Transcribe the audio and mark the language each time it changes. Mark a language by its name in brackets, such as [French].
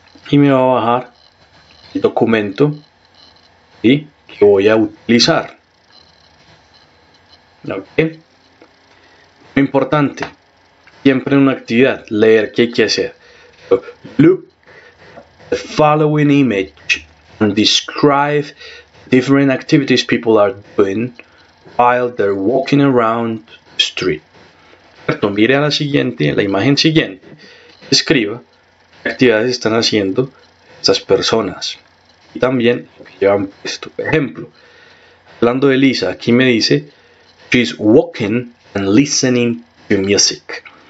[Spanish] Y me va a bajar el documento, ¿sí?, que voy a utilizar. ¿Ok? Muy importante, siempre en una actividad, leer qué hay que hacer. [English] So, look the following image and describe different activities people are doing while they're walking around the street. [Spanish] Perdón, mire a la siguiente, a la imagen siguiente. Escriba actividades están haciendo estas personas y también lo que llevan puesto. Ejemplo, hablando de Lisa, aquí me dice [English] she's walking and listening to music.